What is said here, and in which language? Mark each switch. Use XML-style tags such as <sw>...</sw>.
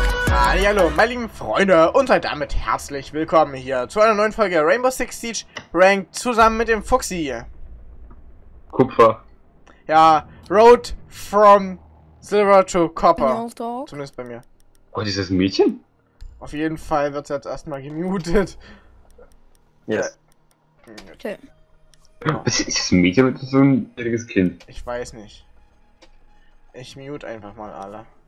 <de>Hallo meine lieben Freunde und halt damit herzlich willkommen hier zu einer neuen Folge Rainbow Six Siege Ranked zusammen mit dem Fuchsi. Kupfer.</de> <en>Ja, Road from Silver to Copper.</en> <de>Zumindest bei mir. Oh, dieses Mädchen? Auf jeden Fall wird sie jetzt erstmal gemutet.</de> <en>Yes. Okay.</en> <de>Ist das ein Mädchen oder so ein jähriges Kind? Ich weiß nicht. Ich mute einfach mal alle.</de>